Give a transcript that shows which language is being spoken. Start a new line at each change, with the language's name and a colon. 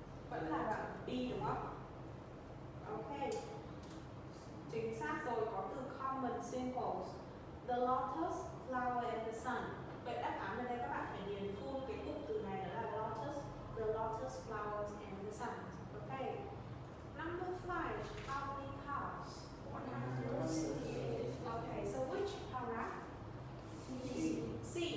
Vietnamese: Vẫn là đoạn B đúng không? Ok. Chính xác rồi, có từ
English: common symbols. The lotus, flower and the sun.
Vietnamese: Vậy đáp án ở đây các bạn phải điền full cái cụm từ này, đó là lotus,
English: the lotus, flowers and the sun. Ok. Number 5, how many cars? 168. Ok, so which paragraph? C. C.